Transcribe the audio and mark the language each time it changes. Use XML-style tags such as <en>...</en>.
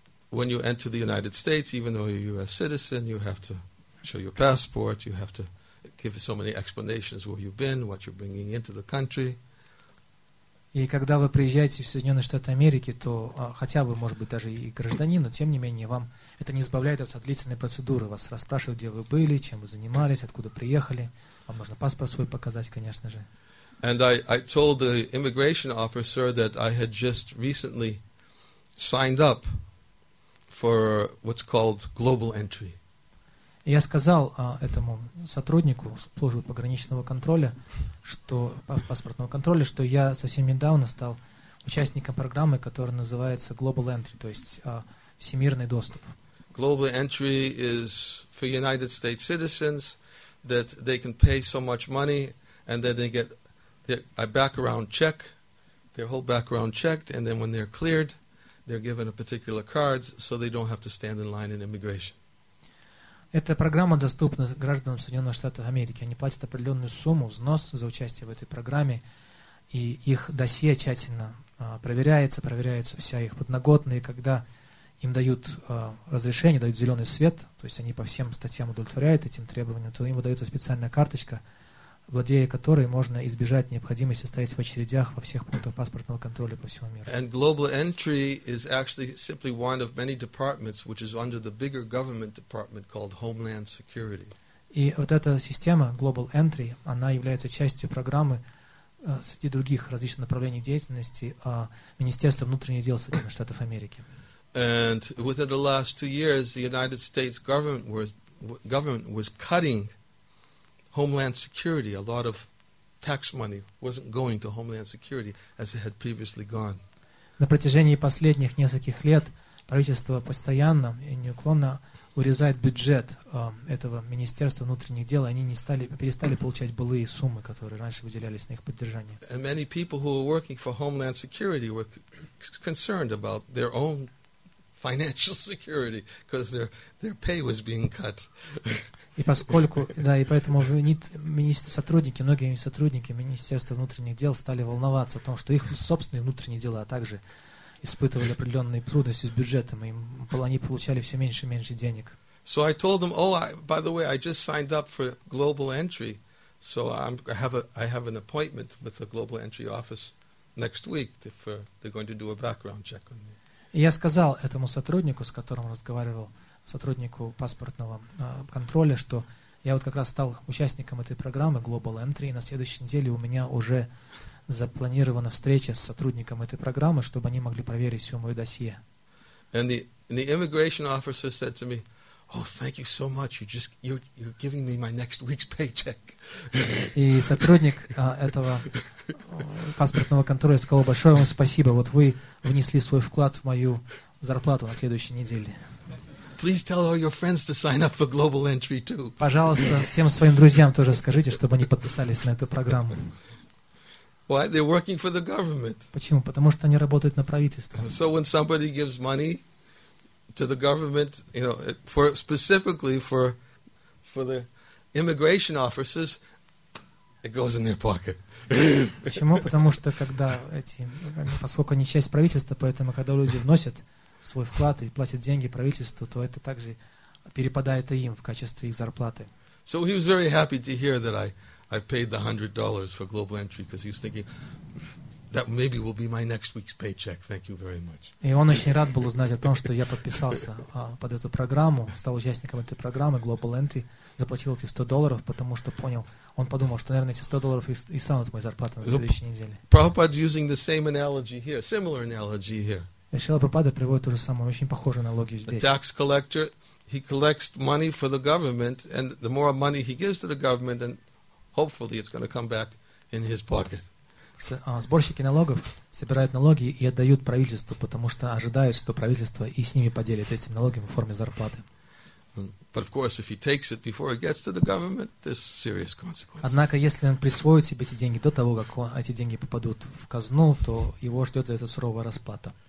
<en>When you enter the United States, even though you're a U.S. citizen, you have to show your passport, you have to give so many explanations where you've been, what you're bringing into the country.</en> <ru>И когда вы приезжаете в Соединенные Штаты Америки, то хотя бы, может быть, даже и гражданин, но тем не менее, вам это не избавляет от длительной процедуры. Вас расспрашивают, где вы были, чем вы занимались, откуда приехали. Вам нужно паспорт свой показать, конечно же.</ru> <en>And I told the immigration officer that I had just recently signed up for what's called global entry.</en> <ru>Я сказал этому сотруднику службы пограничного контроля, что паспортного контроля, что я совсем недавно стал участником программы, которая называется Global Entry, то есть всемирный доступ.</ru> <en>Global Entry is for United States citizens that they can pay so much money and then they get a background check, their whole background checked, and then when they're cleared, they're given a particular card, so they don't have to stand in line in immigration.</en> <ru>Эта программа доступна гражданам Соединенных Штатов Америки. Они платят определенную сумму, взнос за участие в этой программе, и их досье тщательно проверяется вся их подноготная. И когда им дают разрешение, дают зеленый свет, то есть они по всем статьям удовлетворяют этим требованиям, то им выдается специальная карточка, владея которой можно избежать необходимости стоять в очередях во всех пунктах паспортного контроля по всему миру.</ru> <en>And Global Entry is actually simply one of many departments, which is under the bigger government department called Homeland Security.</en> <ru>И вот эта система Global Entry, она является частью программы среди других различных направлений деятельности Министерства внутренних дел Соединенных Штатов Америки.</ru> <en>And within the last 2 years, the United States government was cutting Homeland Security, a lot of tax money wasn't going to Homeland Security as it had previously gone.</en> <ru>На протяжении последних нескольких лет правительство постоянно и неуклонно урезает бюджет этого Министерства внутренних дел. Они перестали получать былые суммы, которые раньше выделялись на их поддержание.</ru> <en>And many people who were working for Homeland Security were concerned about their own financial security because their pay was being cut.</en> <ru>И поскольку, да, и поэтому многие сотрудники Министерства внутренних дел стали волноваться о том, что их собственные внутренние дела также испытывали определенные трудности с бюджетом, и они получали все меньше и меньше денег.</ru> <en>So I told them, oh, by the way, I just signed up for Global Entry, so I have an appointment with the Global Entry office next week they're going to do a background check on me.</en> <ru>И я сказал этому сотруднику, с которым разговаривал, сотруднику паспортного контроля, что я вот как раз стал участником этой программы Global Entry, и на следующей неделе у меня уже запланирована встреча с сотрудником этой программы, чтобы они могли проверить все мое досье.</ru> <en>And the immigration officer said to me, oh, thank you so much, you're giving me my next week's paycheck.</en> <ru>И сотрудник этого паспортного контроля сказал, большое вам спасибо, вот вы внесли свой вклад в мою зарплату на следующей неделе.</ru> <en>Please tell all your friends to sign up for Global Entry too.</en> <ru>Пожалуйста, всем своим друзьям тоже скажите, чтобы они подписались на эту программу.</ru> <en>Why? They're working for the government.</en> <ru>Почему? Потому что они работают на правительство.</ru> <en>So when somebody gives money to the government, you know, specifically for the immigration officers, it goes in their pocket.</en> <ru>Почему? Потому что когда поскольку они часть правительства, поэтому когда люди вносят свой вклад и платят деньги правительству, то это также перепадает и им в качестве их зарплаты.</ru> <en>So he was very happy to hear that I paid the $100 for Global Entry because he was thinking that maybe will be my next week's paycheck. Thank you very much.</en> <ru>И он очень рад был узнать о том, что я подписался под эту программу, стал участником этой программы Global Entry, заплатил эти $100, потому что понял, он подумал, что, наверное, эти $100 и станут моей зарплатой на следующей неделе.</ru> <en>Prabhupada's using the same analogy here, similar analogy here.</en> <ru>Шрила Прабхупада приводит ту же самую, очень похожую аналогию здесь.</ru> <en>The tax collector, he collects money for the government, and the more money he gives to the government, then hopefully it's going to come back in his pocket.</en> <ru>что сборщики налогов собирают налоги и отдают правительству, потому что ожидают, что правительство и с ними поделит этими налогами в форме зарплаты. Однако, если он присвоит себе эти деньги до того, как эти деньги попадут в казну, то его ждет эта суровая расплата.</ru>